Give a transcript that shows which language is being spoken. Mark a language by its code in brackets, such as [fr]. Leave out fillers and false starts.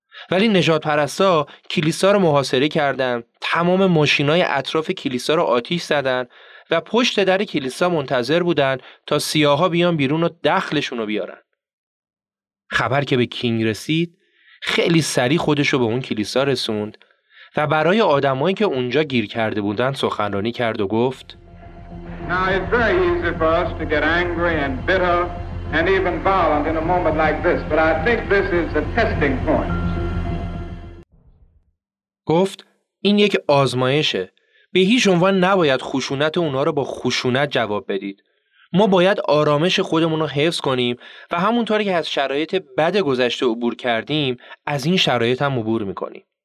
[fa] ولی نژادپرستا کلیسا رو محاصره کردن، تمام ماشینای اطراف کلیسا رو آتیش زدن و پشت در کلیسا منتظر بودن تا سیاها بیان بیرون و دخلشون رو بیارن. خبر که به کینگ رسید، خیلی سریع خودشو به اون کلیسا رسوند و برای آدمایی که اونجا گیر کرده بودن سخنرانی کرد و گفت: [en] Now it's very easy for us to get angry and bitter and even violent in a moment like this, but I think this is a testing point. [fa] گفت این یک آزمایشه. به هیچ عنوان نباید خشونت اونا رو با خشونت جواب بدید. ما باید آرامش خودمون رو حفظ کنیم و همونطوری که از شرایط بد گذشته عبور کردیم از این شرایط هم عبور میکنیم.